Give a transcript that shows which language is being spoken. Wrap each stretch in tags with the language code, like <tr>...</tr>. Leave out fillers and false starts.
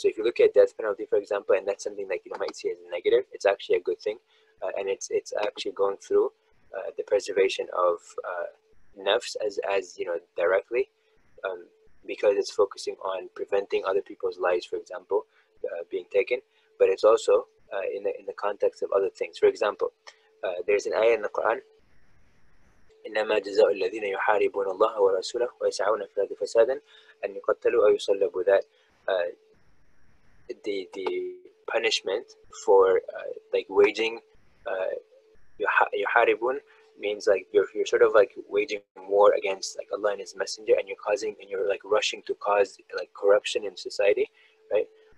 <en>So if you look at death penalty, for example, and that's something like you might see as a negative, it's actually a good thing. And it's actually going through the preservation of nafs as you know, directly, because it's focusing on preventing other people's lives, for example, being taken. But it's also in the context of other things. For example, there's an ayah in the Quran,</en> <ar>إنما جزاء الذين يحاربون الله ورسوله ويسعون في الأرض فسادا أن يقتلوا أو يصلبوا.</ar> <en>That the punishment for like waging يحاربون means like you're sort of like waging war against like Allah and His Messenger, and you're like rushing to cause like corruption in society, right?</en>